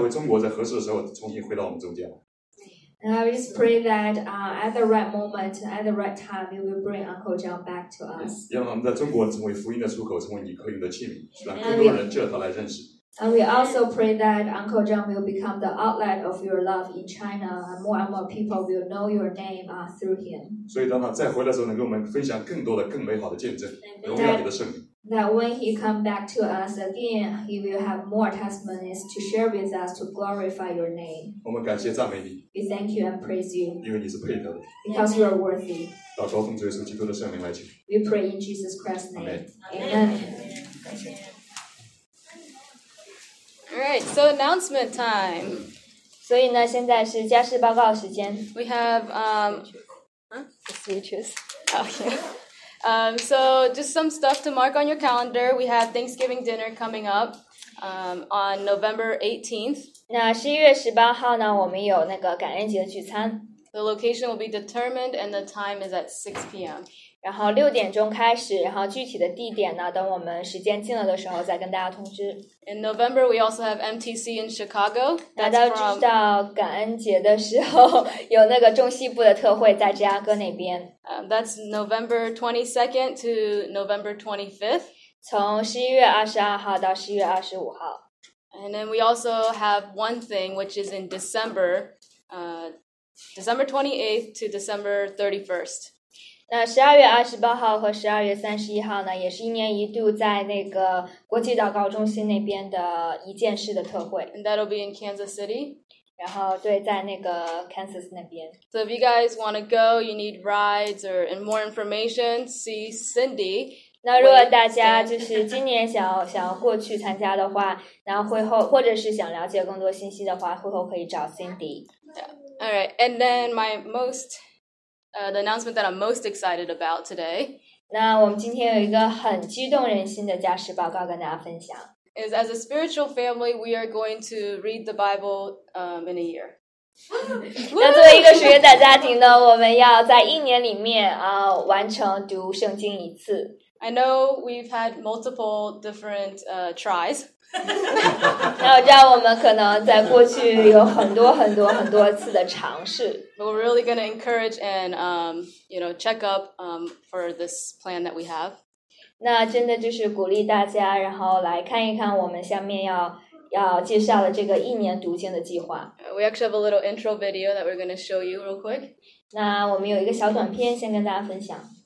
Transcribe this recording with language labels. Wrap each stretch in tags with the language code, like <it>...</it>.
<zh>我们如果符合你的心意，我们求你，等他带回中国，在合适的时候重新回到我们中间。</zh> <en>And I just pray that at the right moment, at the right time, you will bring Uncle John back to us. And we also pray that Uncle John will become the outlet of your love in China, and more people will know your name through him. That when he comes back to us again, he will have more testimonies to share with us to glorify your name. We thank you and praise you. Because you are worthy. We pray in Jesus Christ's name. Amen. Alright, so announcement time.</en> <zh>所以呢,现在是家事报告时间。</zh> <en>We have the speeches. Oh, yeah. So just some stuff to mark on your calendar. We have Thanksgiving dinner coming up on November 18th.</en> <zh>那11月18号呢，我们有那个感恩节的聚餐。</zh> <en>The location will be determined, and the time is at 6 p.m.</en> <zh>然后六点钟开始，然后具体的地点呢，等我们时间近了的时候再跟大家通知。</zh> <en>In November, we also have MTC in Chicago.</en> <zh>大家知道感恩节的时候有那个中西部的特会在芝加哥那边。</zh> <en>That's November 22nd to November 25th.</en> <zh>从11月22号到11月25号。</zh> <en>And then we also have one thing, which is in December, December 28th to December 31st.</en> <zh>那12月28号和12月31号呢，也是一年一度在那个国际祷告中心那边的一件事的特会。</zh> <en>And that'll be in Kansas City.</en> <zh>然后对，在那个 Kansas 那边。</zh> <en>So if you guys want to go, you need rides or and more information, see Cindy.</en> <zh>那如果大家就是今年想要过去参加的话，然后会后或者是想了解更多信息的话，会后可以找 Cindy.</zh> <en>Yeah. All right, and then my most, the announcement that I'm most excited about today.</en> <zh>那我们今天有一个很激动人心的家事报告跟大家分享。</zh> <en>Is as a spiritual family, we are going to read the Bible, in a year.</en> <zh>那作为一个属灵的家庭呢，我们要在一年里面啊、完成读圣经一次。</zh> <en>I know we've had multiple different tries.</en> <zh>那我知道我们可能在过去有很多很多很多次的尝试。</zh> <en>We're really going to encourage and check up for this plan that we have.</en> <zh>那真的就是鼓励大家，然后来看一看我们下面要介绍的这个一年读经的计划。</zh> <en>We actually have a little intro video that we're going to show you real quick.</en> <zh>那我们有一个小短片先跟大家分享。</zh>